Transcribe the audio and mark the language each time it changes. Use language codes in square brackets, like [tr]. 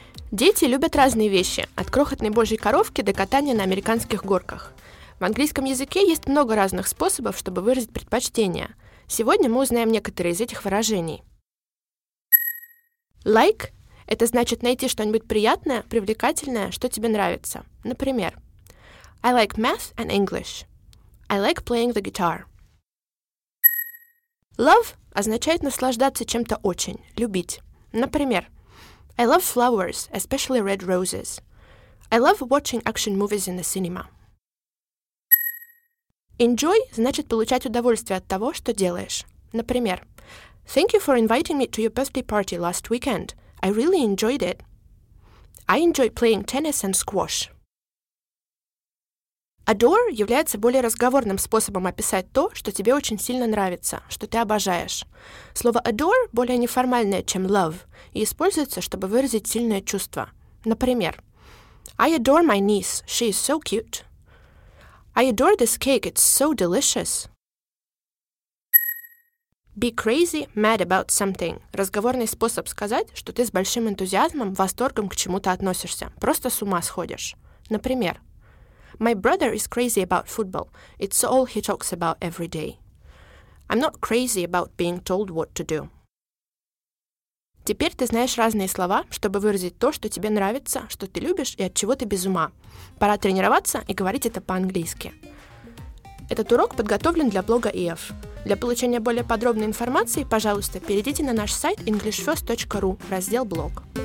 [ru] Дети любят разные вещи, от крохотной божьей коровки до катания на американских горках. В английском языке есть много разных способов, чтобы выразить предпочтение. Сегодня мы узнаем некоторые из этих выражений. Like – это значит найти что-нибудь приятное, привлекательное, что тебе нравится. [en] Например, I like math and English. I like playing the guitar. [ru] Love означает наслаждаться чем-то очень, любить. [en] Например, I love flowers, especially red roses. I love watching action movies in the cinema. [ru] Enjoy значит получать удовольствие от того, что делаешь. [en] Например, Thank you for inviting me to your birthday party last weekend. I really enjoyed it. I enjoy playing tennis and squash. [ru] Adore является более разговорным способом описать то, что тебе очень сильно нравится, что ты обожаешь. Слово adore более неформальное, чем love, и используется, чтобы выразить сильное чувство. [en] Например, I adore my niece, she is so cute. I adore this cake, it's so delicious. Be crazy, mad about something [ru] – разговорный способ сказать, что ты с большим энтузиазмом, восторгом к чему-то относишься, просто с ума сходишь. [en] Например, My brother is crazy about football. It's all he talks about every day. I'm not crazy about being told what to do. [ru] Теперь ты знаешь разные слова, чтобы выразить то, что тебе нравится, что ты любишь и от чего ты без ума. Пора тренироваться и говорить это по-английски. Этот урок подготовлен для блога EF. Для получения более подробной информации, пожалуйста, перейдите на наш сайт englishfirst.ru, раздел «Блог».